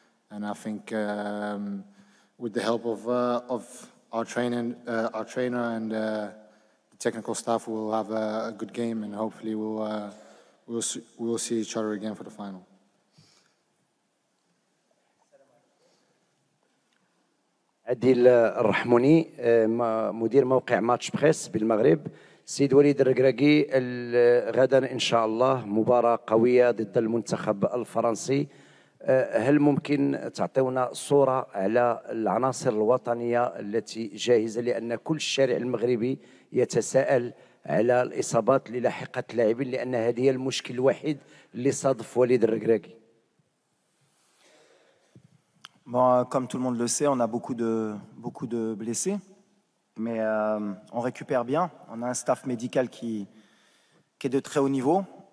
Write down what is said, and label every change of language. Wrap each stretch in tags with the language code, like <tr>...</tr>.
<en>And I think with the help of our trainer and the technical staff, we'll have a good game, and hopefully we'll see each other again for the final.</en> <ar>عادل الرحموني مدير موقع ماتش بريس بالمغرب. سيد وليد الركراكي، غدا ان شاء الله مباراه قويه ضد المنتخب الفرنسي، هل ممكن تعطيونا صوره على العناصر الوطنيه التي جاهزه؟ لان كل الشارع المغربي يتساءل على الاصابات اللي لاحقت اللاعبين، لان هذه هي المشكل الوحيد اللي صادف وليد الركراكي.</ar> <fr>Bon, comme tout le monde le sait, on a beaucoup de blessés, mais on récupère bien. On a un staff médical qui est de très haut niveau.</fr>